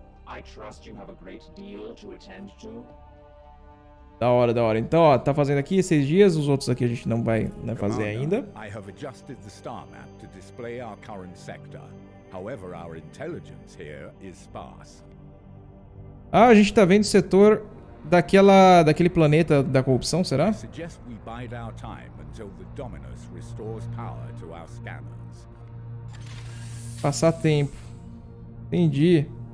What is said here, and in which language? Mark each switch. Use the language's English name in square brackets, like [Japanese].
[English] I trust you have a great deal to attend to. [Portuguese] Da hora, da hora. Então, ó, tá fazendo aqui 6 dias, os outros aqui a gente não vai, né, fazer ainda. [English] I have adjusted the star map to display our current sector. However, our intelligence here is sparse. [Portuguese] Ah, a gente tá vendo o setor daquele planeta da corrupção, será? [English] I suggest we bide our time until the Dominus restores power to our scanners. [Portuguese] Passar tempo. Entendi.